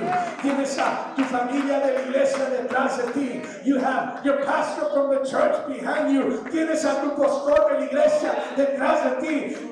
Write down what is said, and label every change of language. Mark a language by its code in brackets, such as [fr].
[es] Tienes a tu familia de la iglesia detrás de ti. [en] You have your pastor from the church behind you. [es] Tienes a tu pastor de la iglesia detrás de ti.